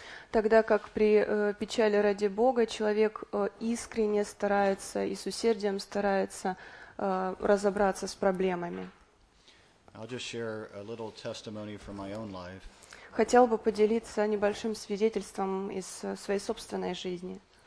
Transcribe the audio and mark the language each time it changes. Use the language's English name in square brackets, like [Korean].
[Russian] Тогда как при печали ради Бога человек искренне старается и с усердием старается разобраться с проблемами. [English] I'll just share a little testimony from my own life. [Russian] Хотел бы поделиться небольшим свидетельством из своей собственной жизни.